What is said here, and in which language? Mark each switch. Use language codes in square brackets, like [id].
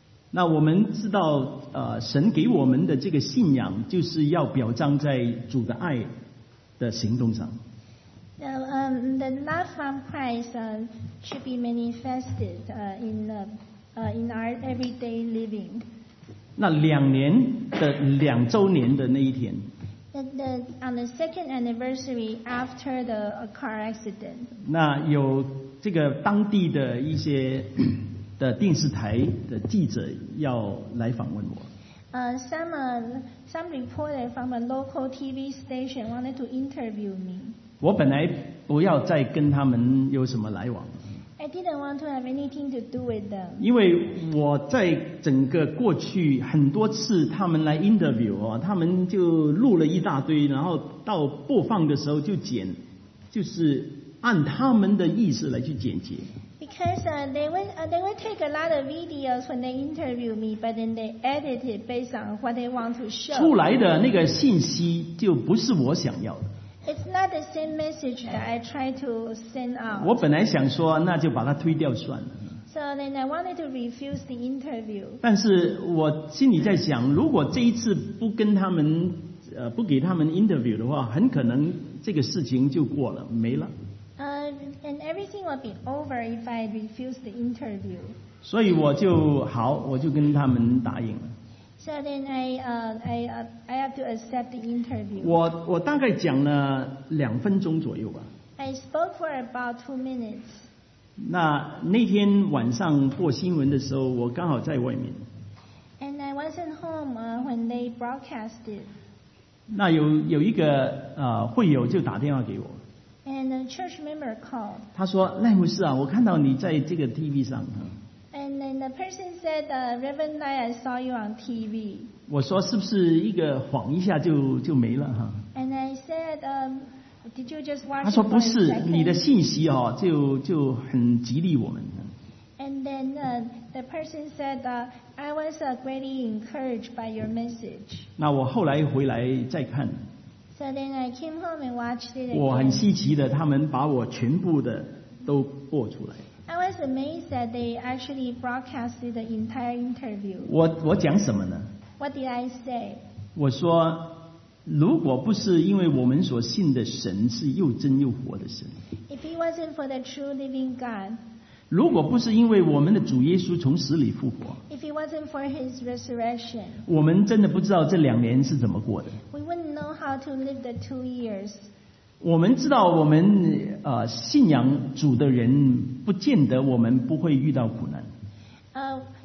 [zh] 那我们知道，神给我们的这个信仰，就是要表彰在主的爱的行动上。 [en] The love from Christ should be manifested in our everyday living. [zh] 那两年的两周年的那一天。 [en] On the second anniversary after the car accident. [zh] 那有这个当地的一些的电视台的记者要来访问我。 [en] Some reporter from a local TV station wanted to interview me. [zh] 我本来不要再跟他们有什么来往。 [en] I didn't want to have anything to do with them. [zh] 因为我在整个过去很多次他们来 interview 他们就录了一大堆，然后到播放的时候就剪，就是按他们的意思来去剪辑。 [en] Because they would take a lot of videos when they interview me, but then they edit it based on what they want to show. [zh] 出来的那个信息就不是我想要的。 [en] It's not the same message that I try to send out. [zh] 我本来想说那就把它推掉算了。 [en] So then I wanted to refuse the interview. [zh] 但是我心里在想，如果这一次不跟他们不给他们 interview 的话，很可能这个事情就过了，没了。 [en] And everything will be over if I refuse the interview. [zh] 所以我就好，我就跟他们答应了。 [en] So then I have to accept the interview. [zh] 我大概讲了两分钟左右吧。 [en] I spoke for about 2 minutes. [zh] 那天晚上播新闻的时候，我刚好在外面。 [en] And I wasn't home when they broadcasted. [zh] 那有一个会友就打电话给我。 [en] And a church member called. [zh] 他说：“赖牧师啊，我看到你在这个 TV 上。” [en] And then the person said, Reverend Lai, I saw you on TV. [zh] 我说是不是一个晃一下就没了哈。 [en] And I said, did you just watch? [zh] 他说不是，你的信息哦，就很激励我们。 [en] And then the person said, I was greatly encouraged by your message. [zh] 那我后来回来再看。 [en] So then I came home and watched it again. [zh] 我很稀奇的，他们把我全部的都播出来。 [en] I was amazed that they actually broadcasted the entire interview. [zh] 我讲什么呢？ [en] What did I say? [zh] 我说，如果不是因为我们所信的神是又真又活的神， [en] If it wasn't for the true living God, [zh] 如果不是因为我们的主耶稣从死里复活， [en] If it wasn't for his resurrection, [zh] 我们真的不知道这两年是怎么过的。 [en] We wouldn't know how to live the 2 years. [zh] 我们知道我们信仰主的人不见得我们不会遇到苦难。